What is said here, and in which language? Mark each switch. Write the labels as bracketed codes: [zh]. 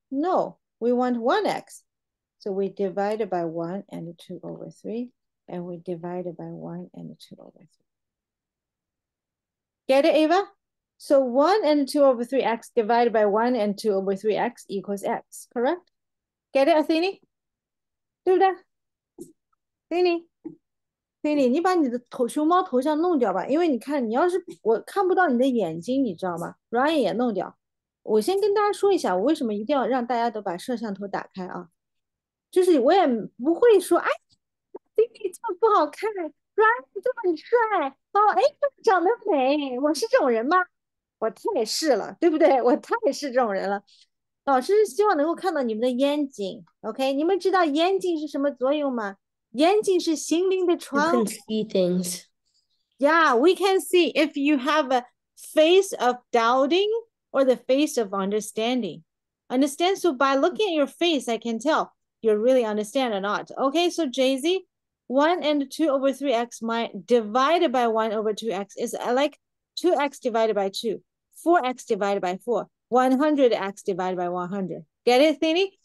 [en] No, we want 1x. So we divide it by 1 and 2 over 3. And we divide it by 1 and 2 over 3. Get it, Ava? So 1 and 2 over 3x divided by 1 and 2 over 3x equals x, correct? Get it, Athene? Do that. Athene? [zh] Athene, 你把你的熊猫头像弄掉吧, 因为你看,你要是,我看不到你的眼睛,你知道吗? Ryan 也弄掉。我先跟大家说一下, 我为什么一定要让大家都把摄像头打开啊? 就是我也不会说, 哎, 弟弟这么不好看，Ryan这么帅，哦，哎，长得美，我是这种人吗？我太是了，对不对？我太是这种人了。老师希望能够看到你们的眼睛，OK？你们知道眼睛是什么作用吗？眼睛是心灵的窗。 [en] You can see things. Yeah, we can see if you have a face of doubting or the face of understanding. Understand? So by looking at your face, I can tell you really understand or not. Okay, so Jay-Z. 1 and 2 over 3x divided by 1 over 2x is like 2x divided by 2, 4x divided by 4, 100x divided by 100. Get it, Thini?